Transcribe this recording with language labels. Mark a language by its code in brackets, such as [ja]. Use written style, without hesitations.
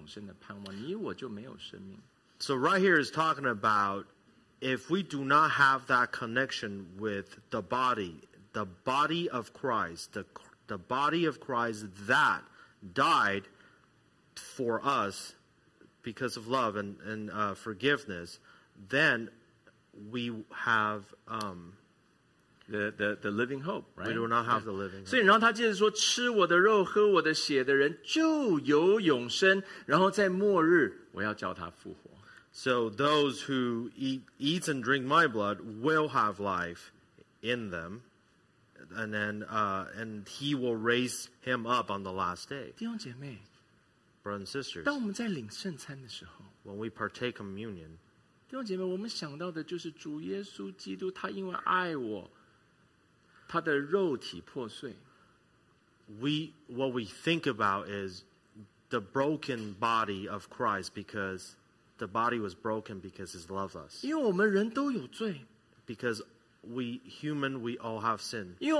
[zh] 这里是讲到我们如果没有跟主耶稣基督他因爱我们牺牲他生命然后使我们赦罪如果没有跟他的身体和他的血连上的话弟兄姐妹你我就没有永生的盼望你我就没有生命。 [en] So right here is talking about if we do not have that connection with the body of Christ, the body of Christ that died for us because of love and forgiveness, then we have the living hope, right? We do not have the living hope. [zh] 所以然后他接着说,吃我的肉,喝我的血的人就有永生,然后在末日我要叫他复活。 [en] So those who eat and drink my blood will have life in them, and then and he will raise him up on the last day. [zh] 弟兄姐妹, [en] brothers and sisters, [zh] 当我们在领圣餐的时候, [en] when we partake communion, [zh] 弟兄姐妹, 我们想到的就是主耶稣基督他因为爱我, 他的肉体破碎, [en] what we think about is the broken body of Christ because the body was broken because his love us. Because we human, we all have sin.